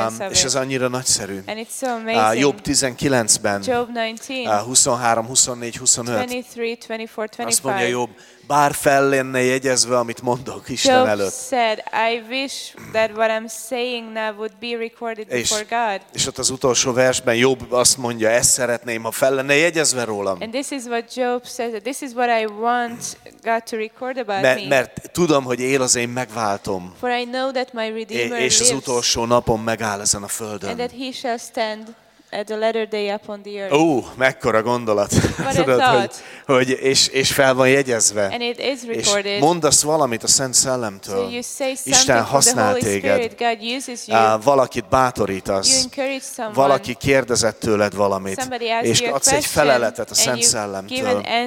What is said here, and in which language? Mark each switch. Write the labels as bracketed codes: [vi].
[hu] És ez annyira nagyszerű. Job 19-ben, 23-24-25, azt mondja Job, bár fel lenne jegyezve, amit mondok Isten előtt. [en] Said, I wish that what I'm saying now would be recorded before God. [hu] És ott az utolsó versben Job azt mondja, ezt szeretném, ha fel lenne jegyezve rólam. [en] And this is what Job says, this is what I want God to record about me. [hu] Mert tudom, hogy él az én megváltom. [en] For I know that my Redeemer lives. [hu] És az utolsó napon megáll ezen a földön. [en] And that he shall stand at the latter day upon the earth. [hu] Mekkora gondolat. Tudod, hogy és fel van jegyezve. [en] And it is recorded. [hu] És mondasz valamit a Szent Szellemtől. [en] So you say something [hu] Isten használ [en] to the Holy [hu] téged. [en] Spirit. God uses you. [hu] Valakit bátorítasz. [en] You encourage someone. [hu] Valaki kérdezett tőled valamit. [en] Somebody asks [hu] és [en] you a [hu] adsz egy feleletet a Szent Szellemtől.